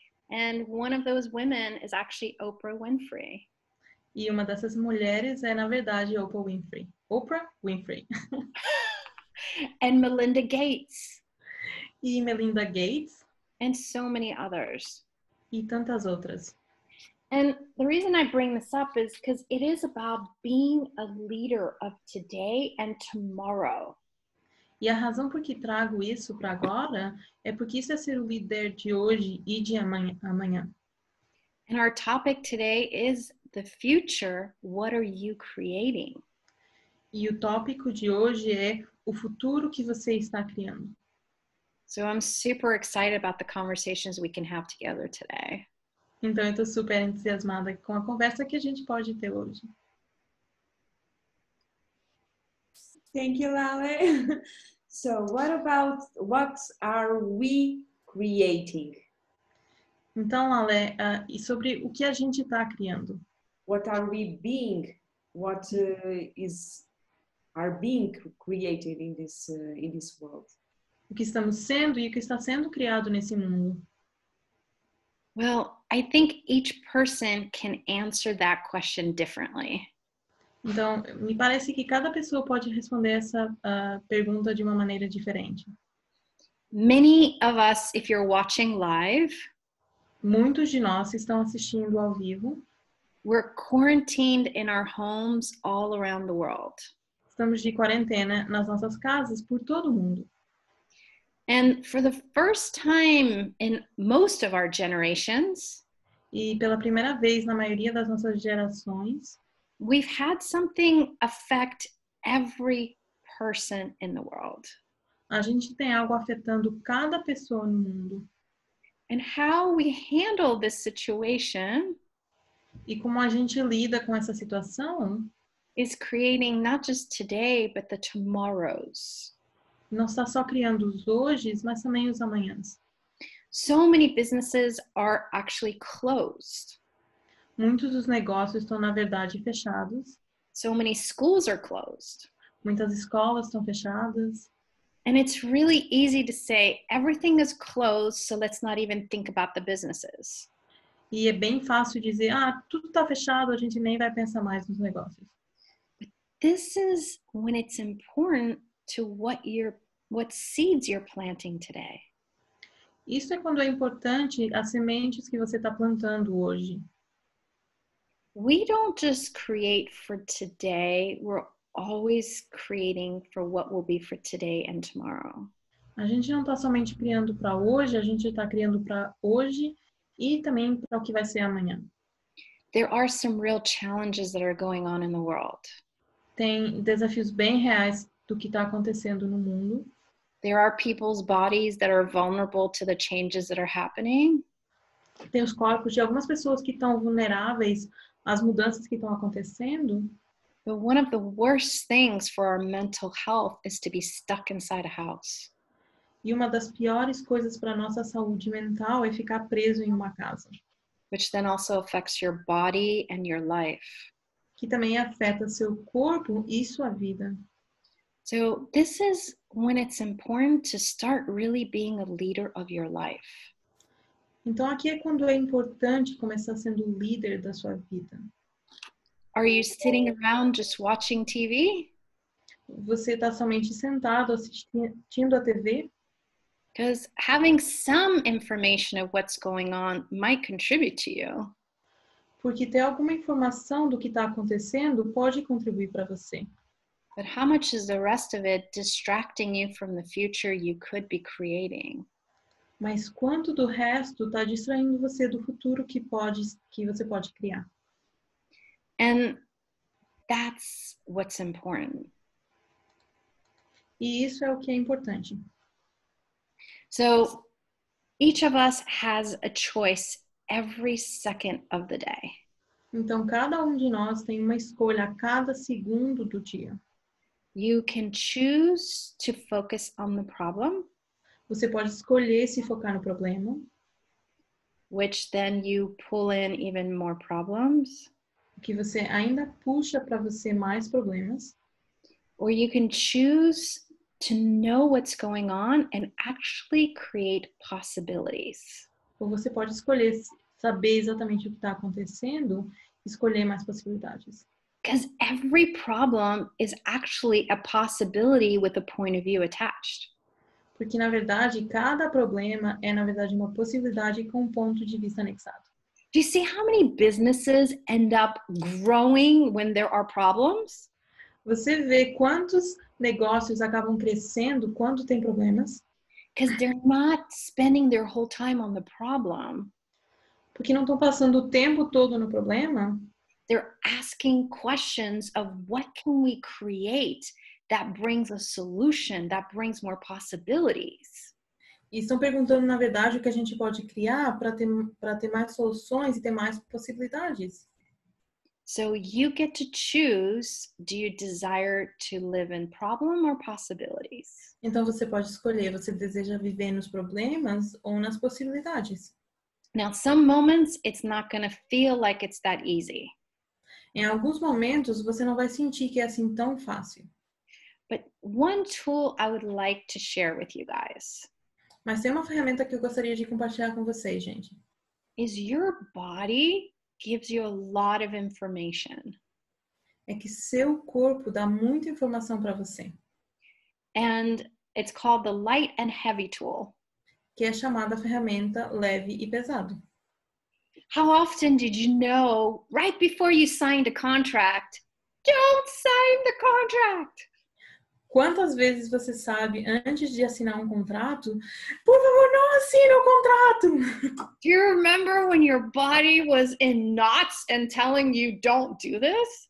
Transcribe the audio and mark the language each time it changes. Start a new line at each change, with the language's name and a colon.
English: And one of those women is actually Oprah Winfrey.
Portuguese: E uma dessas mulheres é, na verdade, Oprah Winfrey.
English: Oprah Winfrey. And Melinda Gates.
Portuguese: E Melinda Gates.
English: And so many others.
Portuguese: E tantas outras.
English: And the reason I bring this up is because it is about being a leader of today and tomorrow.
Portuguese: E a razão por que trago isso para agora é porque isso é ser o líder de hoje e de amanhã.
English: And our topic today is the future. What are you creating?
Portuguese: E o tópico de hoje é o futuro que você está criando.
English: So I'm super excited about the conversations we can have together today.
Portuguese: Então, eu estou super entusiasmada com a conversa que a gente pode ter hoje.
English: Thank you, Lale. So, what about what are we creating?
Portuguese: Então, Lale, e sobre o que a gente está criando?
English: What are we being? What is our being created in this world?
Portuguese: O que estamos sendo e o que está sendo criado nesse mundo?
English: Well, I think each person can answer that question differently.
Portuguese: Então, me parece que cada pessoa pode responder essa pergunta de uma maneira diferente.
English: Many of us, if you're watching live,
Portuguese: Muitos de nós estão assistindo ao vivo.
English: We're quarantined in our homes all around the world.
Portuguese: Estamos de quarentena nas nossas casas por todo o mundo.
English: And for the first time in most of our generations,
Portuguese: e pela primeira vez na maioria das nossas gerações,
English: we've had something affect every person in the world.
Portuguese: A gente tem algo afetando cada pessoa no mundo.
English: And how we handle this situation,
Portuguese: e como a gente lida com essa situação,
English: is creating not just today, but the tomorrows.
Portuguese: Não está só criando os hoje, mas também os amanhãs.
English: So many businesses are actually closed.
Portuguese: Muitos dos negócios estão, na verdade, fechados.
English: So many schools are closed.
Portuguese: Muitas escolas estão fechadas.
English: And it's really easy to say, everything is closed, so let's not even think about the businesses.
Portuguese: E é bem fácil dizer, ah, tudo está fechado, a gente nem vai pensar mais nos negócios.
English: But this is when it's important to what seeds you're planting today.
Portuguese: Isso é quando é importante as sementes que você está plantando hoje.
English: We don't just create for today, we're always creating for what will be for today and tomorrow.
Portuguese: A gente não está somente criando para hoje, a gente está criando para hoje e também para o que vai ser amanhã.
English: There are some real challenges that are going on in the world.
Portuguese: Tem desafios bem reais do que está acontecendo no mundo.
English: There are people's bodies that are vulnerable to the changes that are happening.
Portuguese: Tem os corpos de algumas pessoas que estão vulneráveis às mudanças que estão acontecendo.
English: But one of the worst things for our mental health is to be stuck inside a house.
Portuguese: E uma das piores coisas para nossa saúde mental é ficar preso em uma casa.
English: Which then also affects your body and your life.
Portuguese: Que também afeta seu corpo e sua vida.
English: So this is when it's important to start really being a leader of your life.
Portuguese: Então aqui é quando é importante começar sendo o líder da sua vida.
English: Are you sitting around just watching TV?
Portuguese: Você está somente sentado assistindo a TV?
English: Because having some information of what's going on might contribute to you.
Portuguese: Porque ter alguma informação do que está acontecendo pode contribuir para você.
English: But how much is the rest of it distracting you from the future you could be creating?
Portuguese: Mas quanto do resto está distraindo você do futuro que você pode criar?
English: And that's what's important.
Portuguese: E isso é o que é importante.
English: So, each of us has a choice every second of the day.
Portuguese: Então, cada de nós tem uma escolha a cada segundo do dia.
English: You can choose to focus on the problem.
Portuguese: Você pode escolher se focar no problema.
English: Which then you pull in even more problems.
Portuguese: Que você ainda puxa para você mais problemas.
English: Or you can choose to know what's going on and actually create possibilities.
Portuguese: Ou você pode escolher saber exatamente o que está acontecendo, escolher mais possibilidades.
English: Because every problem is actually a possibility with a point of view attached.
Portuguese: Porque, na verdade, cada problema é, na verdade, uma possibilidade com um ponto de vista anexado.
English: Do you see how many businesses end up growing when there are problems?
Portuguese: Você vê quantos negócios acabam crescendo quando tem problemas?
English: Because they're not spending their whole time on the problem.
Portuguese: Porque não estão passando o tempo todo no problema.
English: They're asking questions of what can we create that brings a solution, that brings more possibilities.
Portuguese: E estão perguntando, na verdade, o que a gente pode criar para ter mais soluções e ter mais possibilidades.
English: So you get to choose, do you desire to live in problem or possibilities?
Portuguese: Então você pode escolher, você deseja viver nos problemas ou nas possibilidades.
English: Now, some moments, it's not going to feel like it's that easy.
Portuguese: Em alguns momentos, você não vai sentir que é assim tão fácil.
English: But one tool I would like to share with you guys.
Portuguese: Mas tem uma ferramenta que eu gostaria de compartilhar com vocês, gente.
English: Is your body gives you a lot of information.
Portuguese: É que seu corpo dá muita informação para você.
English: And it's called the light and heavy tool.
Portuguese: Que é chamada ferramenta leve e pesado.
English: how often did you know right before you signed a contract, don't sign the contract?
Portuguese: Quantas vezes você sabe antes de assinar um contrato, por favor, não assine o contrato?
English: Do you remember when your body was in knots and telling you don't do this?